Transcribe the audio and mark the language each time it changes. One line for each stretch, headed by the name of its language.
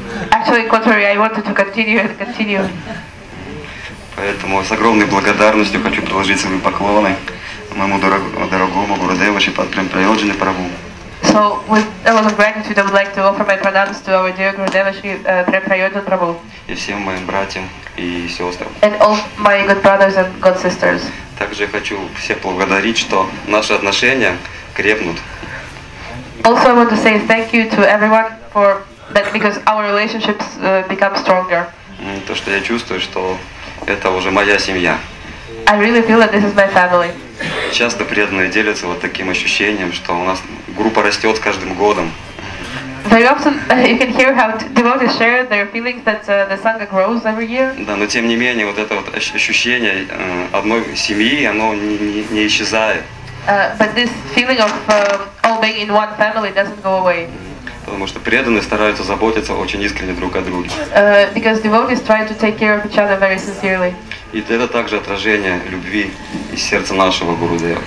English: Actually, contrary, I wanted to continue and continue.
Russian: Поэтому с огромной благодарностью хочу предложить свои поклоны моему дорогому Гурудеву Шипатрем Прайоджине Прабу.
English: So with a lot of gratitude, I would like to offer my pranams to our dear Gurudev Shri Prem Prayodhan Prabhu.
Russian: и всем моим братьям и сестрам.
English: And all my good brothers and good sisters.
Russian: Также хочу всех благодарить, что наши отношения крепнут.
English: Also, I want to say thank you to everyone for that because our relationships become stronger.
Russian: То, что я чувствую, что это уже моя семья.
English: I really feel that this is my family.
Russian: Часто преданные делятся вот таким ощущением, что у нас группа растет с каждым годом.
English: Very often you can hear how devotees share their feelings that the sangha grows every year.
Russian: Да, но тем не менее вот это вот ощущение одной семьи, оно не исчезает.
English: But this feeling of all being in one family doesn't go away.
Russian: Потому что преданные стараются заботиться очень искренне друг о друге.
English: Because devotees try to take care of each other very sincerely.
Russian: И это также отражение любви из сердца нашего Гурудева.